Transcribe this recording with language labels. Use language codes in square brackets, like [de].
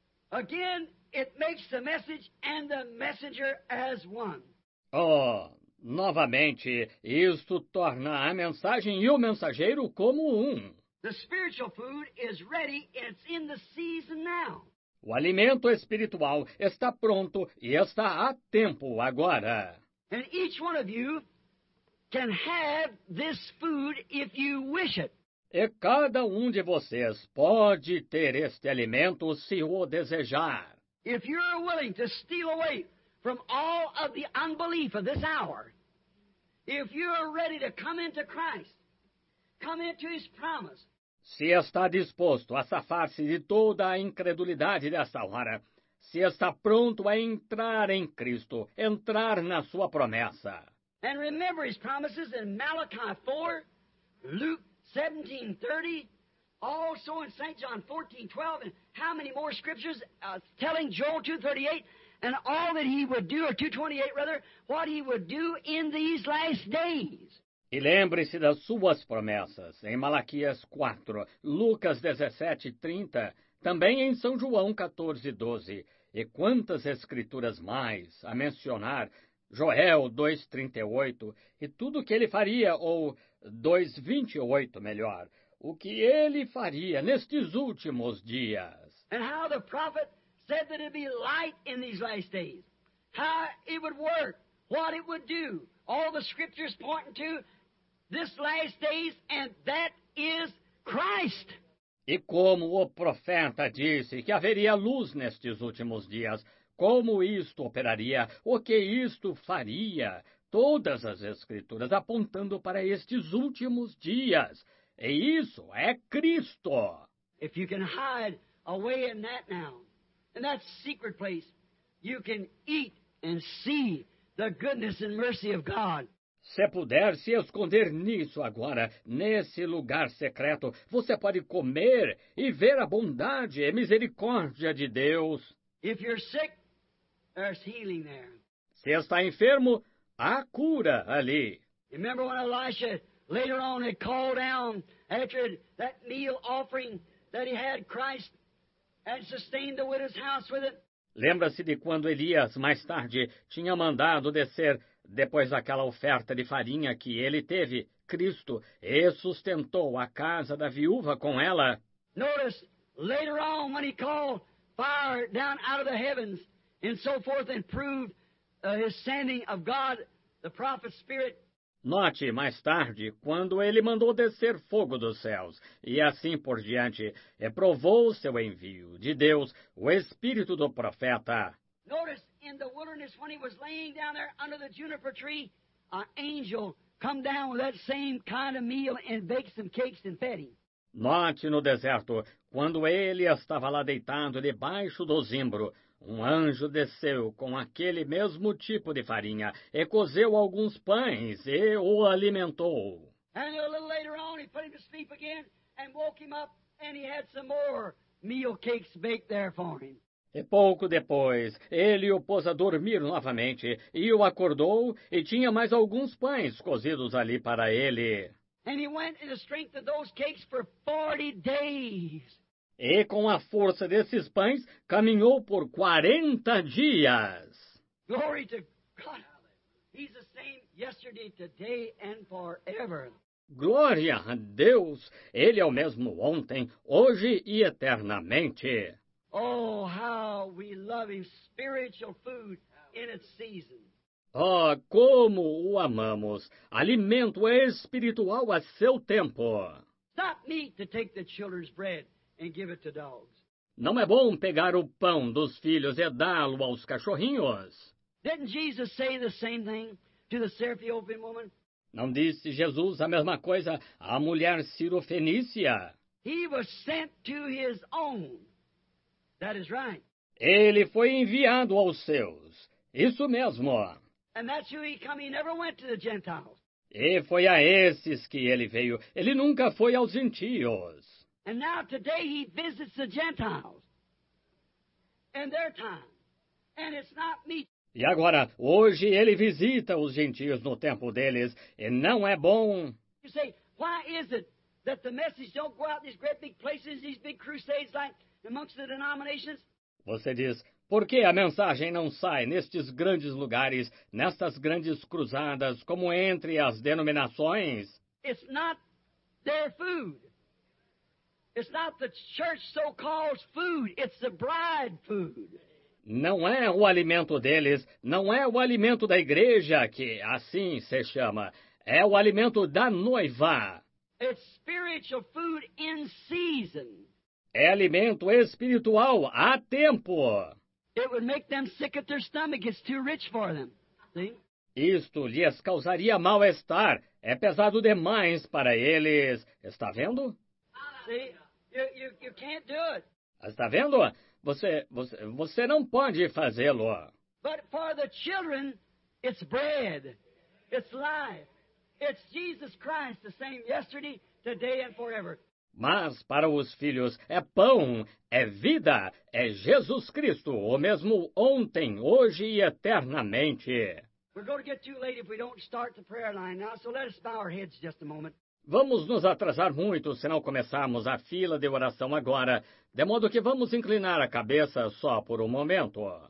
[en] Again, it makes the message and the messenger as one. [pt] Novamente, isto torna a mensagem e o mensageiro como um. [en] The spiritual food is ready, it's in the season now. [pt] O alimento espiritual está pronto e está a tempo agora. [en] And each one of you can have this food if you wish it. [pt] E cada de vocês pode ter este alimento se o desejar. [en] If you are willing to steal away from all of the unbelief of this hour, if you are ready to come into Christ, come into his promise. [pt] Se está disposto a safar-se de toda a incredulidade desta hora, se está pronto a entrar em Cristo, entrar na sua promessa. [en] And remember his promises in Malachi 4, Luke 17:30, also in St. John 14:12, and how many more scriptures telling Joel 2:38, and all that he would do, or 2:28 rather, what he would do in these last days. [pt] E lembre-se das suas promessas, em Malaquias 4, Lucas 17, 30, também em São João 14, 12, e quantas escrituras mais a mencionar, Joel 2, 38, e tudo o que ele faria, ou 2, 28 melhor, o que ele faria nestes últimos dias. [en] And how the prophet said that it'd be light in these last days, how it would work, what it would do, all the scriptures pointing to this last days, and that is Christ. [pt] E como o profeta disse que haveria luz nestes últimos dias, como isto operaria, o que isto faria, todas as escrituras apontando para estes últimos dias. E isso é Cristo. [en] If you can hide away in that now, in that secret place, you can eat and see the goodness and mercy of God. [pt] Se puder se esconder nisso agora, nesse lugar secreto, você pode comer e ver a bondade e misericórdia de Deus. [en] If you're sick, there's healing there. [pt] Se está enfermo, há cura ali. [en] Remember when Elisha later on had called down after that meal offering that he had Christ and sustained the widow's house with it? [pt] Lembra-se de quando Elias, mais tarde, tinha mandado descer, depois daquela oferta de farinha que ele teve, Cristo, e sustentou a casa da viúva com ela? [en] Notice, later on, when he called fire down out of the heavens and so forth and proved his sending of God, the prophet's spirit. [pt] Note, mais tarde, quando ele mandou descer fogo dos céus, e assim por diante, e provou seu envio de Deus, o Espírito do profeta. [en] Notice, in the wilderness, when he was laying down there under the juniper tree, an angel come down with that same kind of meal and baked some cakes and fed him. [pt] Note, no deserto, quando ele estava lá deitado debaixo do zimbro, um anjo desceu com aquele mesmo tipo de farinha e cozeu alguns pães e o alimentou. [en] And a little later on, he put him to sleep again and woke him up and he had some more meal cakes baked there for him. [pt] E pouco depois, ele o pôs a dormir novamente e o acordou e tinha mais alguns pães cozidos ali para ele. [en] And he went in the strength of those cakes for 40 days. [pt] E com a força desses pães, caminhou por 40 dias. [en] Glory to God. He's the same yesterday, today and forever. [pt] Glória a Deus. Ele é o mesmo ontem, hoje e eternamente. [en] Oh, how we love him. Spiritual food in its season. [pt] Oh, como o amamos. Alimento espiritual a seu tempo. [en] Not meat to take the children's bread and give it to dogs. [pt] Não é bom pegar o pão dos filhos e dá-lo aos cachorrinhos. [en] Didn't Jesus say the same thing to the Syrophoenician woman? [pt] Não disse Jesus a mesma coisa à mulher sirofenícia? [en] He was sent to his own. That is right. [pt] Ele foi enviado aos seus. Isso mesmo. [en] And that's who he came. He never went to the Gentiles. [pt] E foi a esses que ele veio. Ele nunca foi aos gentios. [en] And now today he visits the Gentiles in their time. And it's not meat. [pt] E agora, hoje ele visita os gentios no tempo deles, e não é bom. [en] You say, why is it that the message don't go out in these great big places, these big crusades like amongst the denominations? [pt] Você diz, por que a mensagem não sai nestes grandes lugares, nestas grandes cruzadas, como entre as denominações? [en] It's not their food. It's not the church so-called food. It's the bride food. [pt] Não é o alimento deles, não é o alimento da igreja que assim se chama. É o alimento da noiva. [en] It's spiritual food in season. [pt] É alimento espiritual a tempo. [en] It would make them sick at their stomach. It's too rich for them. See? [pt] Isto lhes causaria mal-estar. É pesado demais para eles. Está vendo? [en] See? You can't do it. [pt] Está vendo? Você não pode fazê-lo. [en] But for the children, it's bread. It's life. It's Jesus Christ, the same yesterday, today and forever. [pt] Mas para os filhos, é pão, é vida, é Jesus Cristo, o mesmo ontem, hoje e eternamente. [en] We're going to get too late if we don't start the prayer line now, so let us bow our heads just a moment. [pt] Vamos nos atrasar muito se não começarmos a fila de oração agora, de modo que vamos inclinar a cabeça só por um momento.